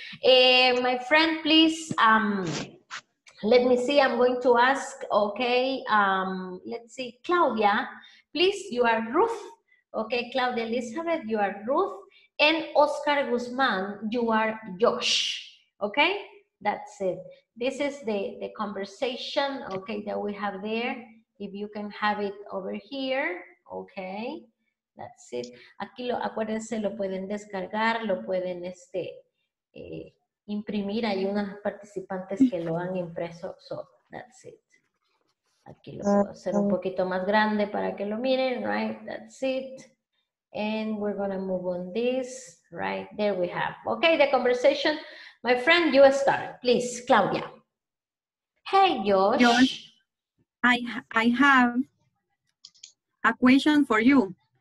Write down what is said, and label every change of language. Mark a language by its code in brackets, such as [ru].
[en] My friend, please, let me see, I'm going to ask, okay, let's see, Claudia, please, you are Ruth, okay, Claudia Elizabeth, you are Ruth, and Oscar Guzman, you are Josh, okay, that's it. This is the conversation, okay, that we have there, if you can have it over here, Okay, that's it. [es] Aquí lo, acuérdense, lo pueden descargar, lo pueden imprimir. Hay unas participantes que lo han impreso. [en] So, that's it. [es] Aquí lo puedo hacer un poquito más grande para que lo miren, right? [en] That's it. And we're going to move on this, right? There we have. Okay, the conversation. My friend, you start. Please, Claudia. Hey, Josh. Josh, I have a question for you.